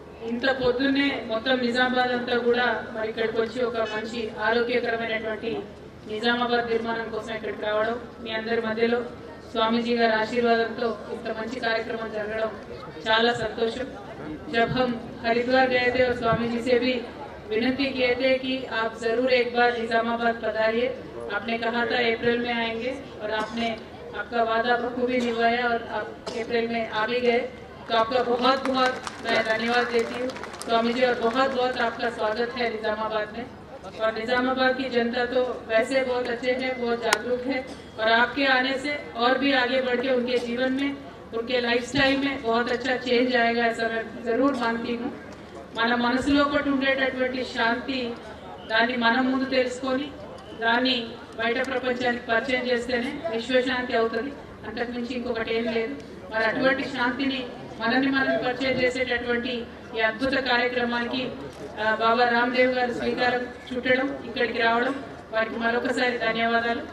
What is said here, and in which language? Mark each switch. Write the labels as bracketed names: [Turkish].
[Telugu] ఇంత పొద్దున్నే మొత్తం నిజామాబాద్ అంతా కూడా మరి ఇక్కడికి వచ్చి ఒక మంచి ఆరోగ్యకరమైనటువంటి నిజామాబాద్ నిర్మాణం కోసం ఇక్కడికి రావడం, మీ అందరి మధ్యలో స్వామీజీ గారి ఆశీర్వాదంతో ఇంత మంచి కార్యక్రమం జరగడం చాలా సంతోషం। [Hindi] जब हम हरिद्वार गए थे और स्वामी जी से भी विनती किए थे कि आप जरूर एक बार निजामाबाद पधारिए, आपने कहा था अप्रैल में आएंगे और आपने आपका वादा बखूबी निभाया और आप अप्रैल में आ भी गए, तो आपका बहुत बहुत मैं धन्यवाद देती हूँ स्वामी जी, और बहुत बहुत आपका स्वागत है निजामाबाद में। और निजामाबाद की जनता तो वैसे बहुत अच्छे है, बहुत जागरूक है, और आपके आने से और भी आगे बढ़ के उनके जीवन में उनके लाइफस्टाइल में बहुत अच्छा चेंज आएगा ऐसा मैं जरूर मानती हूँ। [Telugu] मन मनसुलोको ఉండేటటువంటి శాంతి దాని మన ముందు తెలుసుకొని దాని బయట ప్రపంచానికి పరిచయం చేస్తేనే విశ్వశాంతి అవుతుంది, అంతకు మించి ఇంకొకటి ఏం లేదు। మరి అటువంటి శాంతిని మనల్ని మనం పరిచయం చేసేటటువంటి ఈ అద్భుత కార్యక్రమానికి బాబా రామ్దేవ్ గారు శ్రీకారం చుట్టడం, ఇక్కడికి రావడం, వారికి మరొకసారి ధన్యవాదాలు।